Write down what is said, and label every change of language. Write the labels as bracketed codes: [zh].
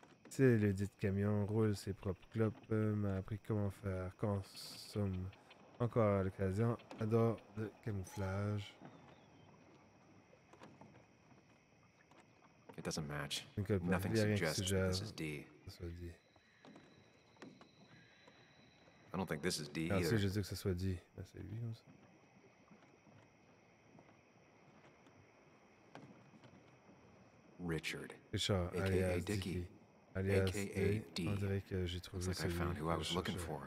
[fr] C'est le dit camion, roule ses propres clopes, m'a appris comment faire, consomme encore à l'occasion, adore le camouflage. [en] It doesn't match. Nothing suggests this is D. I don't think this is D either. [fr] Alors, si je dis que ce soit D, ben, c'est lui comme ça. Richard. Richard, [en] aka [fr] alias Dickie. Dickie. Alias D. On dirait que j'ai trouvé celui que je cherchais.